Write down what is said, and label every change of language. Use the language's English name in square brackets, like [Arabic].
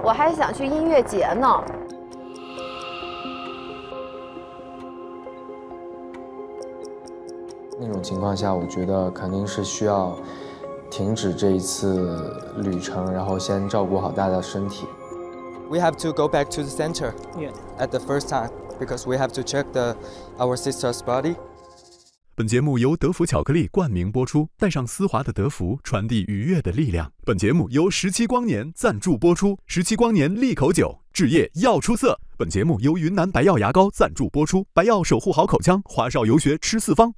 [Chinese] 我还想去音乐节呢。那种情况下，我觉得肯定是需要停止这一次旅程，然后先照顾好大家的身体。 [English] We have to go back to the center. Yeah. At the first time, because we have to check our sister's body. [Chinese] 本节目由德芙巧克力冠名播出，带上丝滑的德芙，传递愉悦的力量。本节目由十七光年赞助播出，十七光年利口酒，置业要出色。本节目由云南白药牙膏赞助播出，白药守护好口腔，华少游学吃四方。